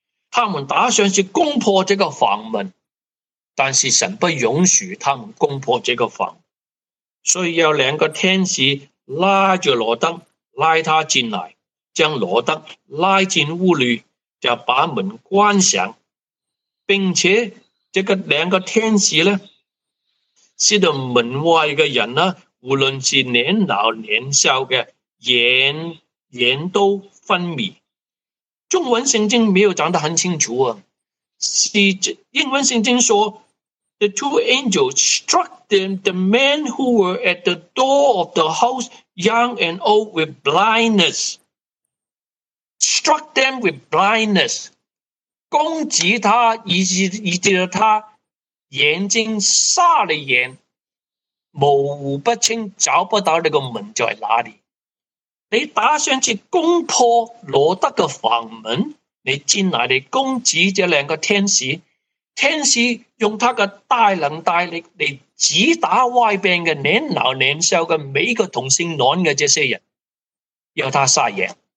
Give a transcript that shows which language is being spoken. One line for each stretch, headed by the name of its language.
Chinese: 他们打算是攻破这个房门，但是神不允许他们攻破这个房门，所以有两个天使拉着罗德，拉他进来，将罗德拉进屋里，就把门关上，并且这个两个天使呢，使得门外的人呢，无论是年老年少的眼都昏迷。中文圣经没有讲得很清楚啊，是英文圣经说
English: The two angels struck the men who were at the door of the house, young and old, with blindness. Struck them with blindness.
Chinese: 攻击他，以致他眼睛瞎了眼，模糊不清，找不到那个门在哪里。你打算去攻破罗德的房门，你进来你攻击这两个天使，天使用他的大能大力来击打外边的年老年少的每一个同性恋的这些人，要他杀人。